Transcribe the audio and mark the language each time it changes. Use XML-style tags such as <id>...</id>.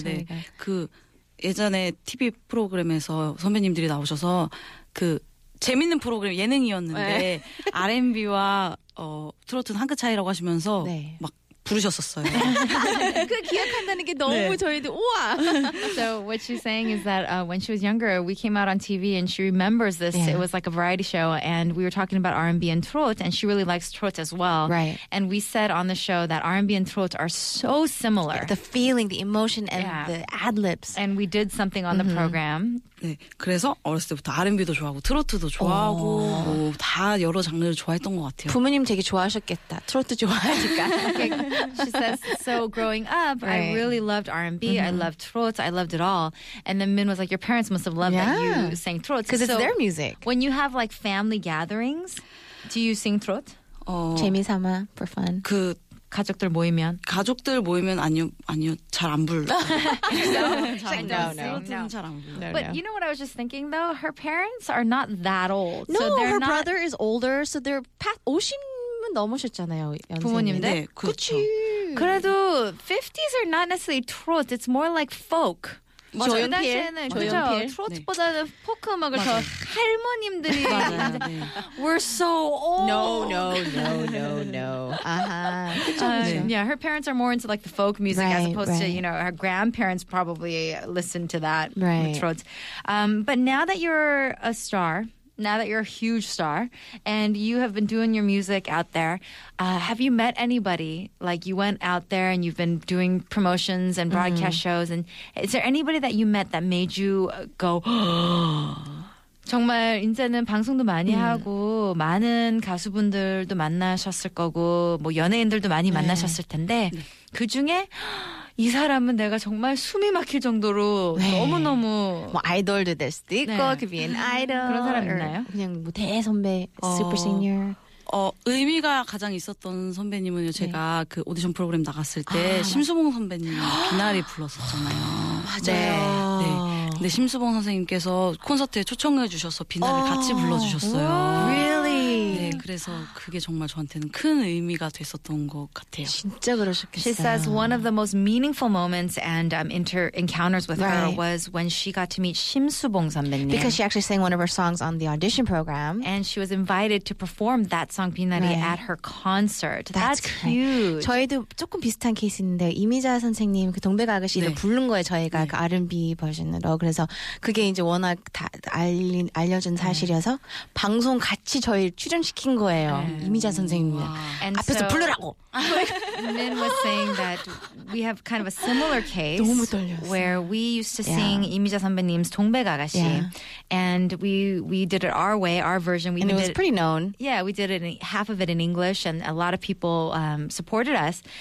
<ko>네네네. 그 예전에 TV 프로그램에서 선배님들이 나오셔서 그 재밌는 프로그램 예능이었는데 네. R&B와 트로트는 한 끗 차이라고 하시면서 네. 막 부르셨었어요. 그 기억한다는 게 너무 네. 저희들 우와.</ko> <en>So what she's saying is that when she was younger, we came out on TV and she remembers this. Yeah. It was like a variety show and we were talking about R&B and trot and she really likes trot as well. Right. And we said on the show that R&B and trot are so similar. The feeling, the emotion and yeah. the ad-libs. And we did something on the program.</en> <ko>네. 그래서 어렸을 때부터 R&B도 좋아하고 트로트도 좋아하고 뭐 다 여러 장르를 좋아했던 것 같아요. 부모님 되게 좋아하셨겠다. 트로트 좋아하니까.</ko> <en>She says, so growing up, right. I really loved R&B, mm-hmm. I loved trot, I loved it all. And then Min was like, your parents must have loved that you sang trot. Because it's their music. When you have like family gatherings, do you sing trot?</en> <ko>재미삼아,</ko> <en>for fun.</en> <ko>그 가족들 모이면? 가족들 모이면 아니요, 잘 안 불러요.</ko> <en>No. But you know what I was just thinking though? Her parents are not that old. No, so her not... brother is older, so they're past 50.</en> <ko>넘으셨잖아요, 부모님들? 네, 그렇죠. 그래도</ko> <en>50s are not necessarily trot. It's more like folk.</en> <ko>조연필? 조연필? 트로트보다는 포크 음악을 더 할머님들이</ko> <en>We're so old. No. Uh-huh. Yeah, her parents are more into like the folk music right, as opposed to, you know, her grandparents probably listen to that. Right. Trot. But now that you're a star, now that you're a huge star and you have been doing your music out there, have you met anybody? Like you went out there and you've been doing promotions and broadcast shows. And is there anybody that you met that made you go,</en> <ko>정말 이제는 방송도 많이 하고 많은 가수분들도 만나셨을 거고 뭐 연예인들도 많이 만나셨을 텐데 그 중에 이 사람은 내가 정말 숨이 막힐 정도로 너무너무 뭐 아이돌도 될 수도 있고</ko> <en>could be an idol</en> <ko>그런 사람 있나요? 그냥 뭐 대선배</ko> <en>super senior</en> <ko>의미가 가장 있었던 선배님은요. 제가 네. 그 오디션 프로그램 나갔을 때 아, 심수봉 선배님 비나리 불렀었잖아요. 맞아요. 네. 네. 근데 심수봉 선생님께서 콘서트에 초청해 주셔서 비나리 같이 불러주셨어요.</ko> <en>Really?</en> <ko>네. 그래서 그게 정말 저한테는 큰 의미가 됐었던 것 같아요. 진짜 그러셨겠어요.</ko> <en>She says one of the most meaningful moments and encounters with right. her was when she got to meet 심수봉 선배님. Because she actually sang one of her songs on the audition program. And she was invited to perform that song 비나리 right. at her concert. That's huge.</en> <ko>저희도 조금 비슷한 케이스인데 이미자 선생님 그 동백 아가씨를 네. 부른 거예요. 저희가 네. 그 R&B 버전으로. 그래서 그게 이제 워낙 다 알려진 사실이어서 네. 방송 같이 저희 출연시킨 거예요. 네. 이미자 선생님이 앞에서 부르라고.</ko> <en>Min was saying that we have kind of a similar case where we used to sing 이미자 선배님's 동백 아가씨 and we did it our way, our version. And it was pretty known. Yeah, we did it half of it in English and a lot of people supported us.</en>